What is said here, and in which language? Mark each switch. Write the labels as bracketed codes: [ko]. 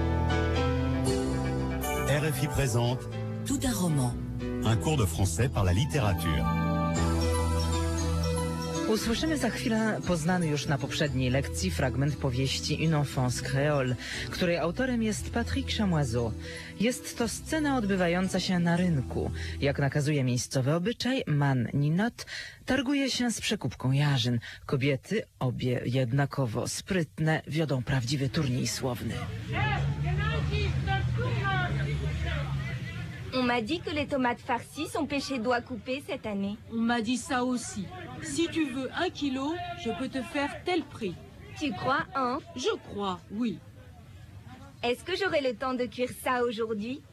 [fr] RFI présente Tout un roman. Un cours de français par la littérature. [pl] Usłyszymy za chwilę poznany już na poprzedniej lekcji fragment powieści Une enfance créole, której autorem jest Patrick Chamoiseau. Jest to scena odbywająca się na rynku. Jak nakazuje miejscowy obyczaj, man Ninot targuje się z przekupką jarzyn. Kobiety, obie jednakowo sprytne, wiodą prawdziwy turniej słowny. [fr] On m'a dit que les tomates farcies sont pêchées doigts coupés cette année. On m'a dit ça aussi. Si tu veux un kilo, je peux te faire tel prix. Tu crois, hein? Je crois, oui. Est-ce que j'aurai le temps de cuire ça aujourd'hui?